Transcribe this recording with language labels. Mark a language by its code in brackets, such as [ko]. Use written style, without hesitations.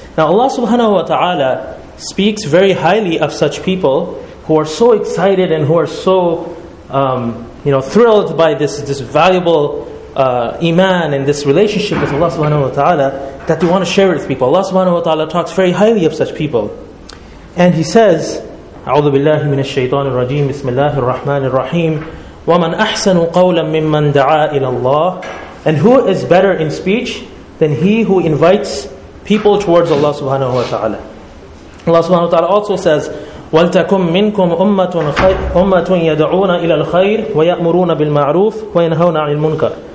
[en] Now Allah subhanahu wa ta'ala speaks very highly of such people who are so excited and who are so thrilled by this valuable iman and this relationship with Allah subhanahu wa ta'ala that they want to share it with people. Allah subhanahu wa ta'ala talks very highly of such people. And he says, [ar] أعوذ بالله من الشيطان الرجيم بسم الله الرحمن الرحيم ومن أحسن قولا ممن دعا إلى الله. [en] And who is better in speech than he who invites people towards Allah subhanahu wa ta'ala? Allah subhanahu wa ta'ala also says, [ar] ولتكن منكم أمة يدعون إلى الخير ويأمرون بالمعروف وينهون عن المنكر.